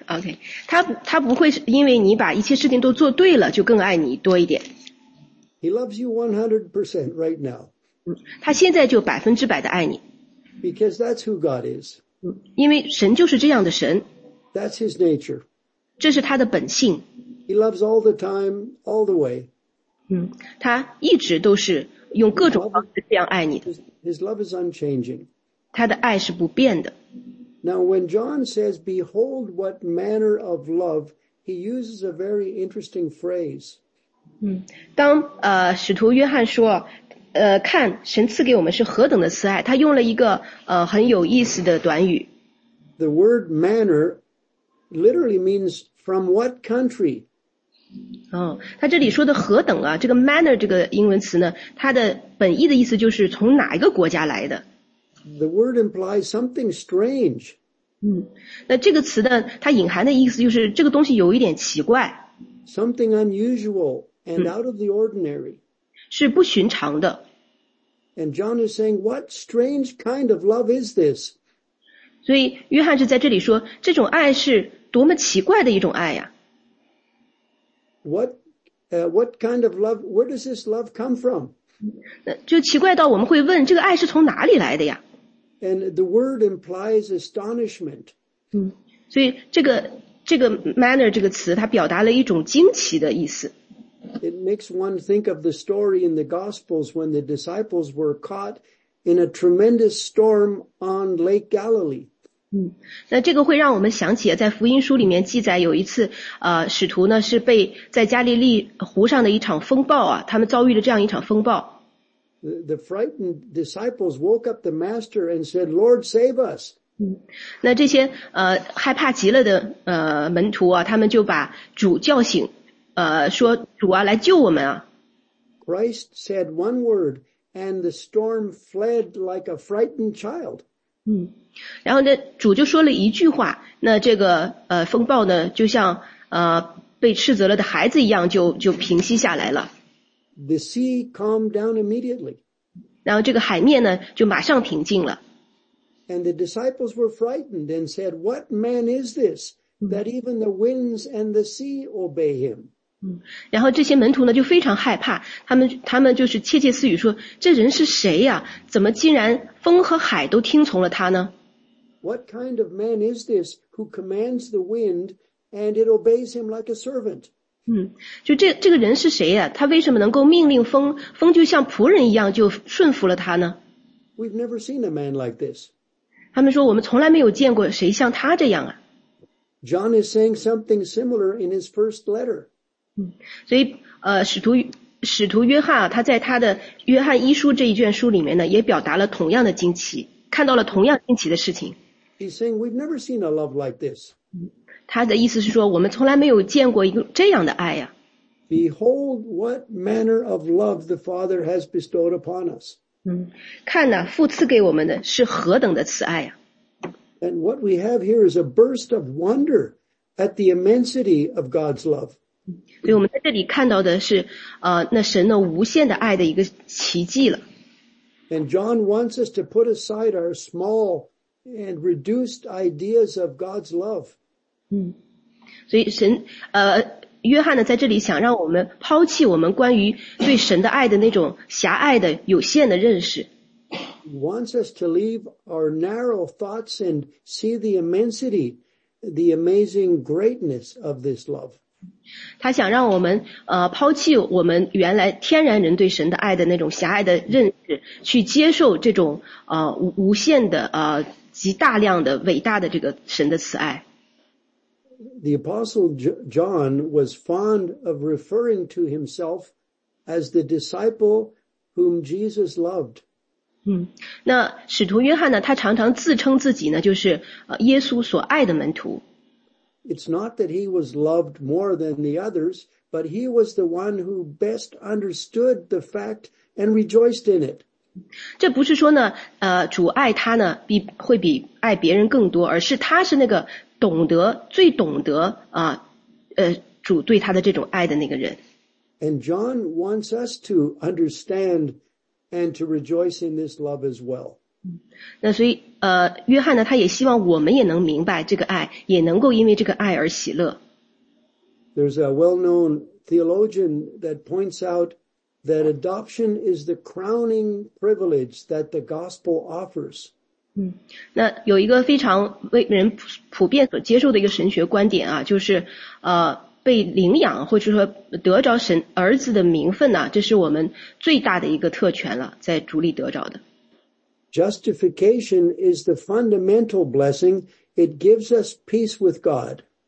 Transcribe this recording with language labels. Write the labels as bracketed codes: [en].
[en] Okay, okay. [zh] 他不会因为你把一切事情都做对了就更爱你多一点。 [en] He loves you 100% right now. [zh] 他现在就百分之百的爱你。 [en] Because that's who God is. [zh] 因为神就是这样的神。 [en] That's his nature. [zh] 这是他的本性。 [en] He loves all the time, all the way. [zh] 他一直都是用各种方式这样爱你的。 [en] His love is unchanging. [zh] 他的爱是不变的。 [en] Now when John says, behold what manner of love, he uses a very interesting phrase. [zh] 当使徒约翰说看神赐给我们是何等的慈爱，他用了一个很有意思的短语。 [en] The word manner literally means from what country? [zh] 他这里说的何等啊，这个 manner 这个英文词呢，它的本意的意思就是从哪一个国家来的。 [en] The word implies something strange. [zh] 那这个词呢，它隐含的意思就是这个东西有一点奇怪。 [en] Something unusual and out of the ordinary. [zh] 是不寻常的。 [en] And John is saying, what strange kind of love is this? [zh] 所以约翰是在这里说，这种爱是多么奇怪的一种爱呀。 [en] What kind of love, where does this love come from? [zh] 就奇怪到我们会问这个爱是从哪里来的呀。 [en] And the word implies astonishment. [zh] 所以这个 manner 这个词它表达了一种惊奇的意思。 [en] It makes one think of the story in the Gospels when the disciples were caught in a tremendous storm on Lake Galilee. [zh] 那这个会让我们想起在福音书里面记载有一次使徒呢是被在加利利湖上的一场风暴啊，他们遭遇了这样一场风暴。 [en] The frightened disciples woke up the master and said, Lord, save us. [zh] 那这些害怕极了的门徒啊，他们就把主叫醒说主啊来救我们啊。 [en] Christ said one word and the storm fled like a frightened child. [zh] 然后呢主就说了一句话，那这个风暴呢就像被斥责了的孩子一样就平息下来了。 [en] The sea calmed down immediately. [zh] 然后这个海面呢就马上平静了。 [en] And the disciples were frightened and said, what man is this that even the winds and the sea obey him? [zh] 然后这些门徒呢就非常害怕，他们就是窃窃私语说，这人是谁呀，怎么竟然风和海都听从了他呢？ [en] What kind of man is this who commands the wind and it obeys him like a servant? [zh] 就这个人是谁啊，他为什么能够命令风就像仆人一样就顺服了他呢？ [en] We've never seen a man like this. [zh] 他们说我们从来没有见过谁像他这样啊。 [en] John is saying something similar in his first letter. [zh] 所以使徒约翰啊，他在他的约翰一书这一卷书里面呢也表达了同样的惊奇，看到了同样惊奇的事情。 [en] He's saying we've never seen a love like this. [zh] 他的意思是说我们从来没有见过一个这样的爱呀。 [en] Behold what manner of love the Father has bestowed upon us. [zh] 看哪，父赐给我们的是何等的慈爱呀。 [en] And what we have here is a burst of wonder at the immensity of God's love. [zh] 所以我们在这里看到的是那神的无限的爱的一个奇迹了。 [en] And John wants us to put aside our small,and reduced ideas of God's love. [zh] 所以神约翰呢在这里想让我们抛弃我们关于对神的爱的那种狭隘的有限的认识。 [en] Wants us to leave our narrow thoughts and see the immensity, the amazing greatness of this love. [zh] 他想让我们抛弃我们原来天然人对神的爱的那种狭隘的认识，去接受这种无限的极大量的伟大的这个神的慈爱。 [en] The Apostle John was fond of referring to himself as the disciple whom Jesus loved. [zh] 那使徒约翰呢，他常常自称自己呢，就是耶稣所爱的门徒。 [en] It's not that he was loved more than the others, but he was the one who best understood the fact and rejoiced in it. [zh] 这不是说呢主爱他呢会比爱别人更多，而是他是那个懂得最懂得主对他的这种爱的那个人。 [en] And John wants us to understand and to rejoice in this love as well. [zh] 那所以约翰呢，他也希望我们也能明白这个爱，也能够因为这个爱而喜乐。 [en] There's a well-known theologian that points out that adoption is the crowning privilege that the gospel offers. [zh] 那有一个非常为人普遍所接受的一个神学观点啊，就是被领养或者说得着神儿子的名分呢、啊，这是我们最大的一个特权了，在主里得着的。 [en] Justification is the fundamental blessing. It gives us peace with God.